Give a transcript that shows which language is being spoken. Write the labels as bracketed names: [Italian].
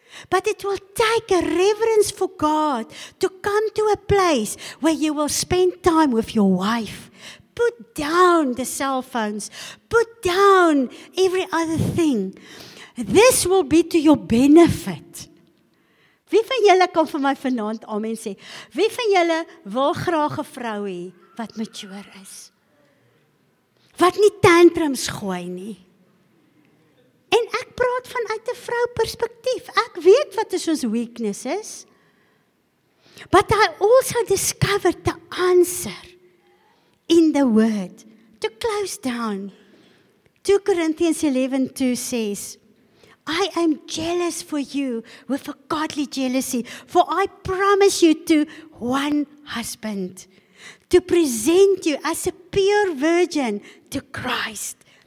[English] But it will take a reverence for God to come to a place where you will spend time with your wife. Put down the cell phones. Put down every other thing. This will be to your benefit. [Afrikaans] Wie van julle kan vir my vanaand amen sê? Wie van julle wil graag 'n vrou hê wat mature is? Wat nie tantrums gooi nie. En ek praat vanuit 'n vrou perspektief. Ek weet wat is ons weakness is. [English] But I also discovered the answer in the word. To close down. 2 Corinthians 11, 2 says, I am jealous for you with a godly jealousy, for I promise you to one husband, to present you as a pure virgin to Christ.